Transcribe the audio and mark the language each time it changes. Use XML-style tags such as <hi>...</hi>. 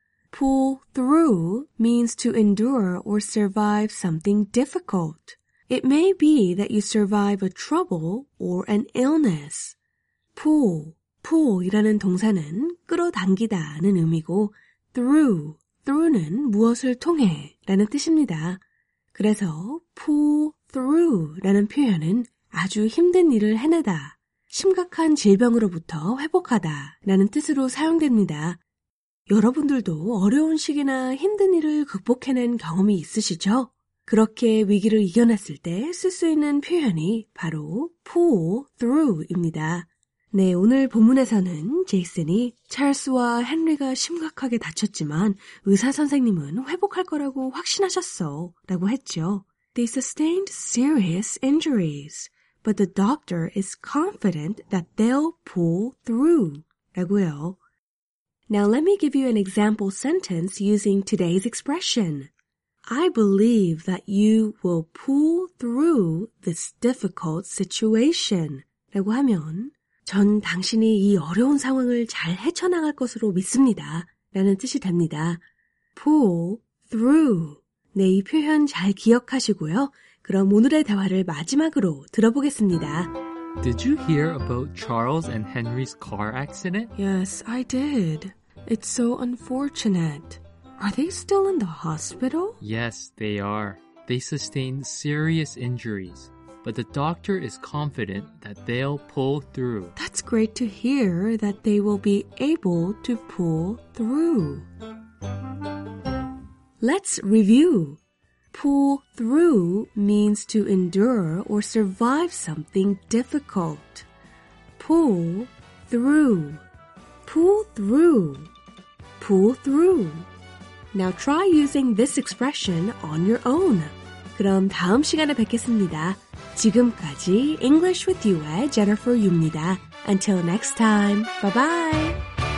<en>Pull through means to endure or survive something difficult. It may be that you survive a trouble or an illness. Pull,</en> <ko>pull이라는 동사는 끌어당기다는 의미고 through, through는 무엇을 통해라는 뜻입니다. 그래서 pull through라는 표현은 아주 힘든 일을 해내다, 심각한 질병으로부터 회복하다라는 뜻으로 사용됩니다. 여러분들도 어려운 시기나 힘든 일을 극복해낸 경험이 있으시죠? 그렇게 위기를 이겨냈을 때 쓸 수 있는 표현이 바로 pull through입니다. 네, 오늘 본문에서는 제이슨이 찰스와 헨리가 심각하게 다쳤지만 의사 선생님은 회복할 거라고 확신하셨어 라고 했죠.</ko> <en>They sustained serious injuries, but the doctor is confident that they'll pull through 라고요. Now let me give you an example sentence using today's expression. I believe that you will pull through this difficult situation.</en> <ko>라고 하면 전 당신이 이 어려운 상황을 잘 헤쳐나갈 것으로 믿습니다. 라는 뜻이 됩니다. Pull through. 네, 이 표현 잘 기억하시고요. 그럼 오늘의 대화를 마지막으로 들어보겠습니다.</ko> <en>Did you hear about Charles and Henry's car accident? Yes, I did. It's so unfortunate. Are they still in the hospital? Yes, they are. They sustained serious injuries. But the doctor is confident that they'll pull through. That's great to hear that they will be able to pull through. Let's review. Pull through means to endure or survive something difficult. Pull through. Pull through. Pull through. Now try using this expression on your own.</en> <ko>그럼 다음 시간에 뵙겠습니다. 지금까지 English with You의 Jennifer Yu입니다. Until next time, bye-bye!</ko>